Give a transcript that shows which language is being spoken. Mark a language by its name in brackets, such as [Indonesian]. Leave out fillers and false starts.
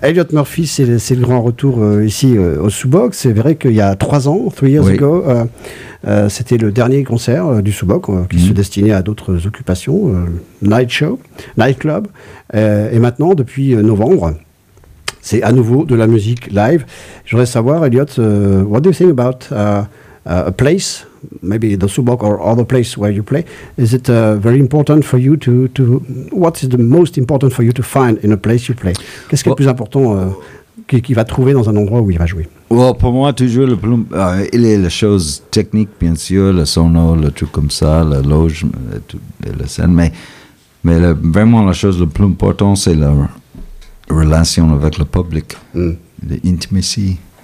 [French] Elliot Murphy, c'est le grand retour ici au Subox. C'est vrai qu'il y a 3 ans, [English] 3 years ago, [French] c'était le dernier concert du Subox qui se destinait à d'autres occupations, night show, night club. Et maintenant, depuis novembre, c'est à nouveau de la musique live. J'aurais savoir, [English] Elliot, what do you think about a place? Maybe the Subox or other place where you play, is it very important for you to what is the most important for you to find in a place you play? [French] Qu'est-ce qui est le plus important qu'il va trouver dans un endroit où il va jouer? Well, pour moi, toujours le plus, il est la chose technique, bien sûr, le sono, le truc comme ça, la loge, la scène, mais vraiment la chose le plus important, c'est la relation avec le public, l'intimacy.